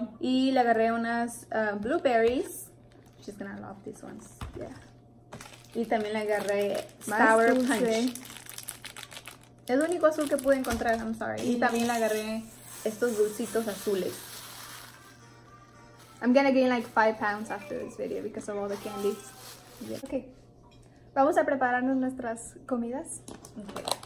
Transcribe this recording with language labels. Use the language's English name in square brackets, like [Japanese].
[Spanish] Y le agarré unas blueberries. [English] She's gonna love these ones. Yeah. [Spanish] Y también le agarré sour punch. Es el único azul que pude encontrar, [English] I'm sorry. [Spanish] Y también le agarré estos dulcitos azules. [English] I'm gonna gain like 5 pounds after this video because of all the candy. Yeah. Okay. [Spanish] Vamos a prepararnos nuestras comidas. Okay.